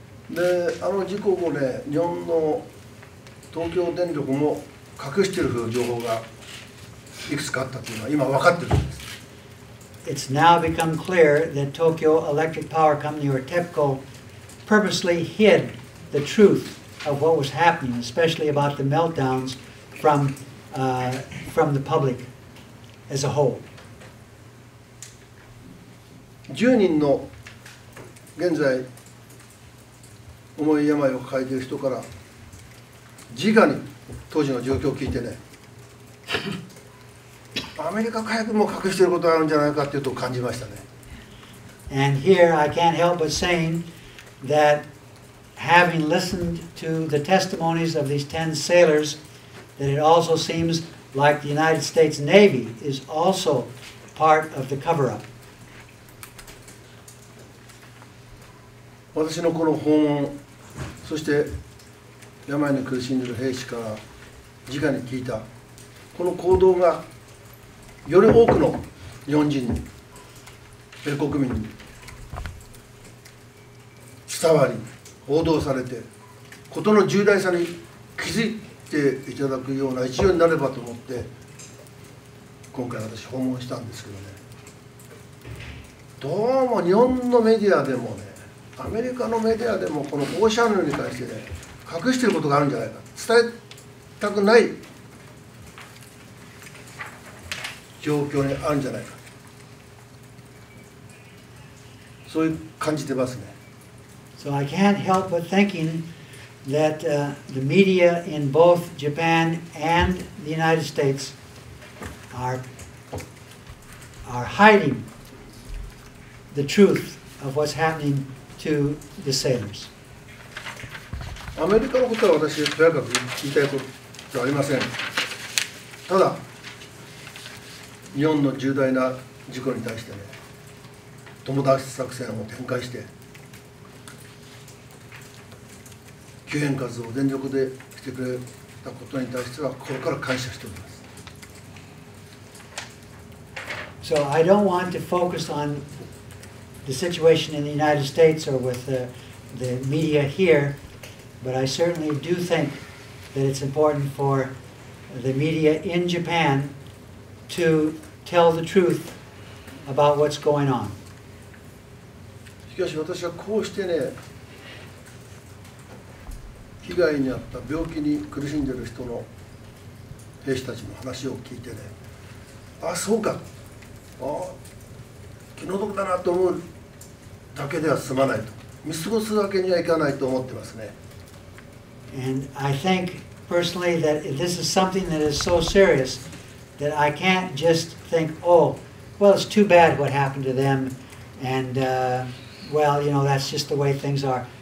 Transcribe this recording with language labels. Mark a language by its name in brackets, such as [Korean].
[Japanese] で、あの事故後ね、日本の東京電力も隠している情報がいくつかあったというのは今分かっているんです。 [English] It's now become clear that Tokyo Electric Power Company, or TEPCO, purposely hid the truth of what was happening, especially about the meltdowns, from the public as a whole. [Japanese] 10人の現在重い病を抱えている人から直に当時の状況を聞いてね。アメリカ海軍も隠していることがあるんじゃないかというと感じましたね。 [English] And here I can't help but saying that having listened to the testimonies of these 10 sailors, that it also seems like the United States Navy is also part of the cover-up. [Japanese] 私のこの訪問、そして病に苦しんでいる兵士から直に聞いたこの行動がより多くの日本人に、米国民に伝わり、報道されて、ことの重大さに気づいていただくような一助になればと思って、今回私、訪問したんですけどね、どうも日本のメディアでもね、アメリカのメディアでも、この放射能に対してね、隠していることがあるんじゃないか、伝えたくない。状況にあるんじゃないか。そういう感じてますね。 [English] So I can't help but thinking that the media in both Japan and the United States are hiding the truth of what's happening to the sailors. [Japanese] アメリカのことは私とやかく言いたいことはありません。ただ日本の重大な事故に対してね、友達作戦を展開して、救援活動を全力でしてくれたことに対しては、心から感謝しております。 [English] So I don't want to focus on the situation in the United States or with the media here, but I certainly do think that it's important for the media in Japan to tell the truth about what's going on. [Japanese] しかし私はこうしてね、被害に遭った病気に苦しんでいる人の兵士たちの話を聞いてね、あ、そうか、あ、気の毒だなと思うだけでは済まないと、見過ごすわけにはいかないと思ってますね。 [English] And I think personally that this is something that is so serious that I can't just think, oh, well, it's too bad what happened to them, and well, you know, that's just the way things are.